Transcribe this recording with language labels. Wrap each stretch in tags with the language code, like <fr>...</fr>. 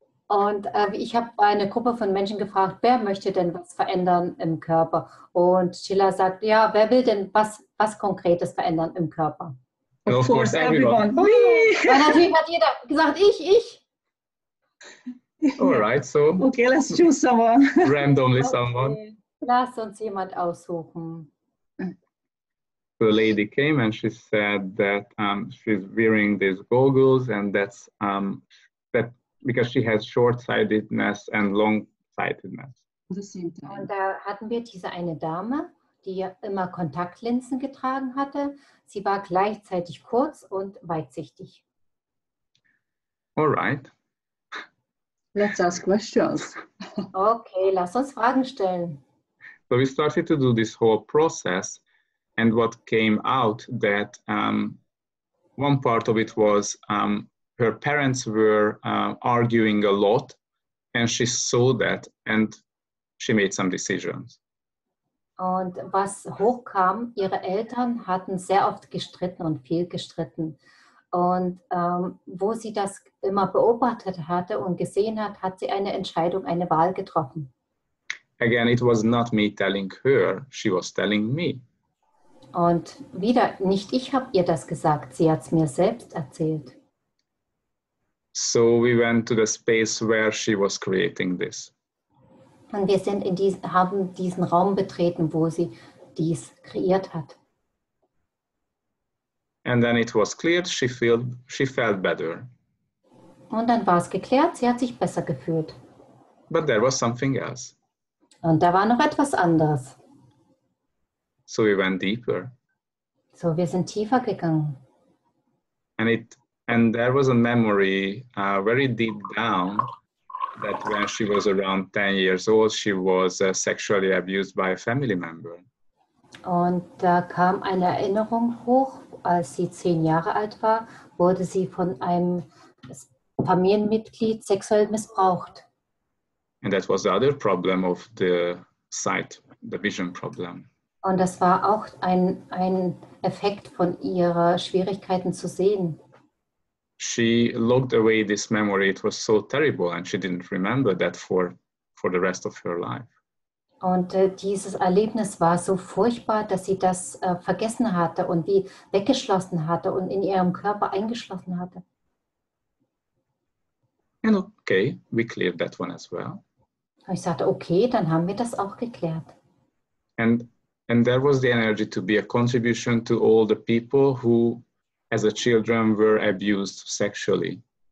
<de>Und ich habe eine Gruppe von Menschen gefragt, wer möchte denn was verändern im Körper? Und Sheila sagt, ja, wer will denn was Konkretes verändern im Körper?</de> <en>And of course, everyone.</en> <de>Und natürlich hat jeder gesagt, ich.</de> <en>All right, so. Okay, let's choose someone. Randomly someone. Okay.</en> <de>Lass uns jemand aussuchen.</de> <en>The lady came and she said that she's wearing these goggles, and that's that because she has short-sightedness and long-sightedness.</en> <de>Und da hatten wir diese eine Dame, die immer Kontaktlinsen getragen hatte. Sie war gleichzeitig kurz und weitsichtig.</de> <en>All right. Let's ask questions.</en> <de>Okay, lass uns Fragen stellen.</de> <en>So we started to do this whole process. And what came out that one part of it was her parents were arguing a lot, and she saw that and she made some decisions.</en> <de>Und was hochkam, ihre Eltern hatten sehr oft gestritten und viel gestritten. Und wo sie das immer beobachtet hatte und gesehen hat, hat sie eine Entscheidung, eine Wahl getroffen.</de> <en>Again, it was not me telling her, she was telling me.</en> <de>Und wieder, nicht ich habe ihr das gesagt, sie hat es mir selbst erzählt.</de> <en>So we went to the space where she was creating this.</en> <de>Und wir sind in haben diesen Raum betreten, wo sie dies kreiert hat.</de> <en>And then it was cleared, she felt better.</en> <de>Und dann war es geklärt, sie hat sich besser gefühlt.</de> <en>But there was something else.</en> <de>Und da war noch etwas anderes.</de> <en>So we went deeper.</en> <de>So wir sind tiefer gegangen.</de> <en>And there was a memory very deep down that when she was around 10 years old, she was sexually abused by a family member.</en> <de>Und da kam eine Erinnerung hoch, als sie 10 Jahre alt war, wurde sie von einem Familienmitglied sexuell missbraucht.</de> <en>And that was the other problem of the sight, the vision problem.</en> <de>Und das war auch ein Effekt von ihrer Schwierigkeiten zu sehen.</de> <en>She locked away this memory. It was so terrible, and she didn't remember that for the rest of her life.</en> <de>Und dieses Erlebnis war so furchtbar, dass sie das vergessen hatte und wie weggeschlossen hatte und in ihrem Körper eingeschlossen hatte.</de> <en>And okay, we cleared that one as well.</en> <de>Und ich sagte, okay, dann haben wir das auch geklärt.</de> <en>And there was the energy to be a contribution to all the people who, as a children, were abused sexually.</en>